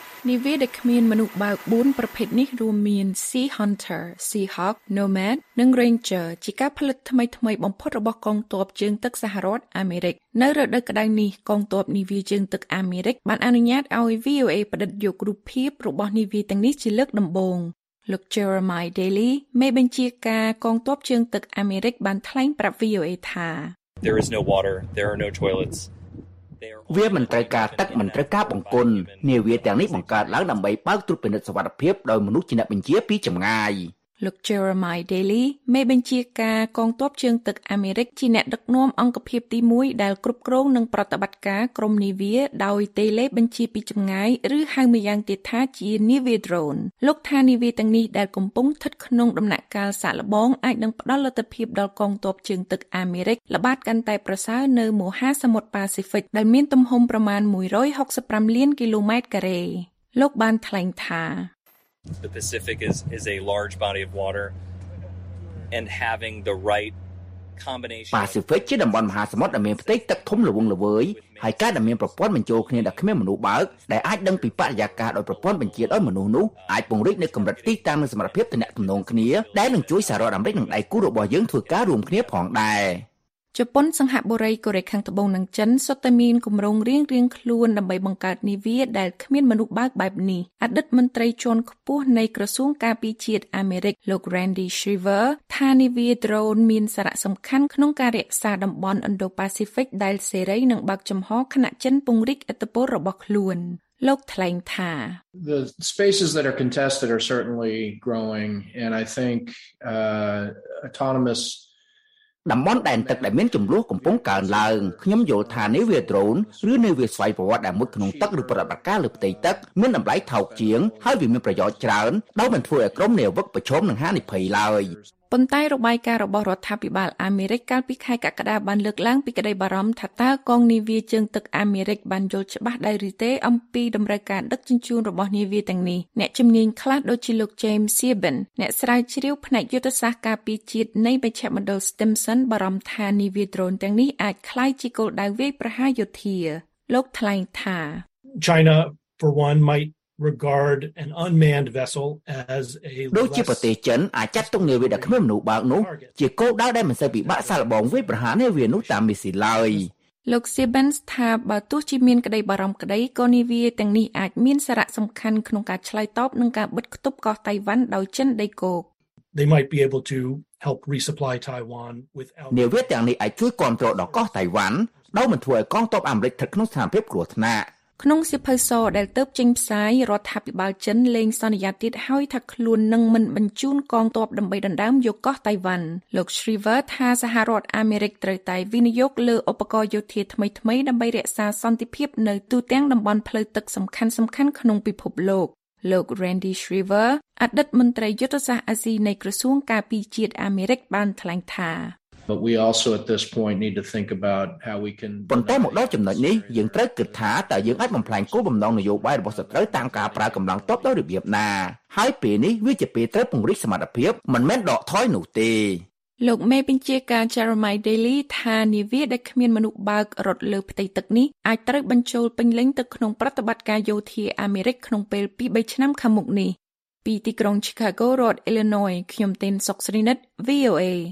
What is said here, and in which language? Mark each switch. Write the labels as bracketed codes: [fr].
[km] នាវាដែលគ្មានមនុស្សបើក4ប្រភេទនេះរួមមាន Sea Hunter, Seahawk, Nomad និង Ranger ជាការផលិតថ្មីៗបំផុតរបស់កងទ័ពជើងទឹកសហរដ្ឋអាមេរិកនៅរដូវក្តៅនេះកងទ័ពនាវាជើងទឹកអាមេរិកបានអនុញ្ញាតឲ្យ VOA ផ្តិតយករូបភាពរបស់នាវាទាំងនេះជាលើកដំបូងលោក Jeremiah Daly មេបញ្ជាការកងទ័ពជើងទឹកអាមេរិកបានថ្លែងប្រាប់ VOA ថា [en] There is no water, there are no toilets. [km] វាមិនត្រូវការទឹកមិនត្រូវការបង្គន់នាវាទាំងនេះបង្កើតឡើងដើម្បីបើកទ្រព្យពិនិត្យសវត្ថិភាពដោយមនុស្សជាអ្នកបញ្ជាពីចម្ងាយ លោក Jeremiah Daly មេបញ្ជាការកងទ័ពជើងទឹកអាមេរិកជាអ្នកដឹកនាំអង្គភាពទី1ដែលគ្រប់គ្រងនិងប្រតិបត្តិការក្រុមនាវាដោយទេលេបញ្ជាពីចម្ងាយឬហៅម្យ៉ាងទៀតថាជានាវា drone លោកថានាវាទាំងនេះដែលកំពុងស្ថិតក្នុងដំណាក់កាលសាកល្បងអាចនឹងផ្តល់លទ្ធភាពដល់កងទ័ពជើងទឹកអាមេរិកល្បាតកាន់តែប្រសើរនៅមហាសមុទ្រប៉ាស៊ីហ្វិកដែលមានទំហំប្រមាណ165លានគីឡូម៉ែត្រការ៉េលោកបានថ្លែងថា [en] The Pacific is a large body of water and having the right combination [km] Pacific ជាតំបន់មហាសមុទ្រដែលមានផ្ទៃទឹកធំល្វឹងល្វើយហើយការដែលមានប្រព័ន្ធបញ្ចូលគ្នាដែលគ្មានមនុស្សបើកដែលអាចដឹងពីបរិយាកាសដោយប្រព័ន្ធបញ្ជាដោយមនុស្សនោះអាចពង្រីកនៅកម្រិតទីតាំងនិងសមត្ថភាពទំនាក់ទំនងគ្នាដែលនឹងជួយសហរដ្ឋអាមេរិកនិងដៃគូរបស់យើងធ្វើការរួមគ្នាផងដែរ ជប៉ុនសង្ហបុរីកូរ៉េខាងត្បូងនិងចិនសុទ្ធតែមានគម្រោងរៀងៗខ្លួនដើម្បីបង្កើតនាវាដែលគ្មានមនុស្សបើកបែបនេះអតីតមន្ត្រីជាន់ខ្ពស់នៃក្រសួងការពារជាតិអាមេរិកលោក Randy Shriver ថានាវា drone មានសារៈសំខាន់ក្នុងការរក្សាតំបន់ Indo-Pacific ដែលសេរីនិងបើកចំហខណៈចិនពង្រីកឥទ្ធិពលរបស់ខ្លួនលោកថ្លែងថា [en] The spaces that are contested are certainly growing and I think autonomous [km] តំបន់ដែនទឹកដែលមានចំនួនកំពុងកើនឡើងខ្ញុំយល់ថានេះវា drone ឬនេះវាស្វ័យប្រវត្តិដែលមុតក្នុងទឹកឬប្រតិបត្តិការលើផ្ទៃទឹកមានតម្លៃថោកជាងហើយវាមានប្រយោជន៍ច្រើនដោយមិនធ្វើឲ្យក្រុមនាវិកប្រឈមនឹងហានិភ័យឡើយ ប៉ុន្តែរបាយការណ៍របស់រដ្ឋាភិបាលអាមេរិកកាលពីខែកក្កដាបានលើកឡើងពីក្តីបារម្ភថាតើកងនាវាជើងទឹកអាមេរិកបានយល់ច្បាស់ដែរឬទេអំពីតម្រូវការដឹកជញ្ជូនរបស់នាវាទាំងនេះអ្នកជំនាញខ្លះដូចជាលោក James Sieben អ្នកស្រាវជ្រាវផ្នែកយុទ្ធសាស្ត្រការពារជាតិនៃមជ្ឈមណ្ឌល Stimson បារម្ភថានាវា drone ទាំងនេះអាចក្លាយជាគោលដៅវាយប្រហារយោធាលោកថ្លែងថា [en] China for one mightregard an unmanned vessel as a [km] ដូចជាប្រទេសចិនអាចចាត់ទុកនាវាដែលគ្មានមនុស្សបើកនោះជាគោលដៅដែលមិនសូវពិបាកសាកល្បងវាយប្រហារនាវានោះតាមមីស៊ីលឡើយ លោក Siebens ថាបើទោះជាមានក្តីបារម្ភក្តីក៏នាវាទាំងនេះអាចមានសារៈសំខាន់ក្នុងការឆ្លើយតបនឹងការបិទគប់កោះតៃវ៉ាន់ដោយចិនដីគោក [en] They might be able to help resupply Taiwan without [km] នាវាទាំងនេះអាចជួយគ្រប់គ្រងដល់កោះតៃវ៉ាន់ដោយមិនធ្វើឲ្យកងទ័ពអាមេរិកស្ថិតក្នុងស្ថានភាពគ្រោះថ្នាក់ ក្នុងសៀវភៅសដែលទើបចេញផ្សាយរដ្ឋាភិបាលចិនលែងសន្យាទៀតហើយថាខ្លួននឹងមិនបញ្ជូនកងទ័ពដើម្បីដណ្ដើមយកកោះតៃវ៉ាន់លោក Shriver ថាសហរដ្ឋអាមេរិកត្រូវតែវិនិយោគលើឧបករណ៍យោធាថ្មីៗដើម្បីរក្សាសន្តិភាពនៅទូទាំងតំបន់ផ្លូវទឹកសំខាន់ៗក្នុងពិភពលោកលោក Randy Shriver អតីតមន្ត្រីយុទ្ធសាស្ត្រអាស៊ីនៃក្រសួងការពារជាតិអាមេរិកបានថ្លែងថា [en] But we also at this point need to think about how we can [km] ប៉ុន្តែមកដល់ចំណុចនេះយើងត្រូវគិតថាតើយើងអាចបំផ្លាញគោលបំណងនយោបាយរបស់សត្រូវតាមការប្រើកម្លាំងទ័ពដោយរបៀបណាហើយពេលនេះវាជាពេលត្រូវពង្រឹងសមត្ថភាពមិនមែនដកថយនោះទេ លោកមេបញ្ជាការ Jeremiah Daly ថានាវាដែលគ្មានមនុស្សបើករត់លើផ្ទៃទឹកនេះអាចត្រូវបញ្ចូលពេញលេញទៅក្នុងប្រតិបត្តិការយោធាអាមេរិកក្នុងពេល 2-3 ឆ្នាំខាងមុខនេះពីទីក្រុង Chicago រដ្ឋ Illinois ខ្ញុំទីនសុកស្រីនិត VOA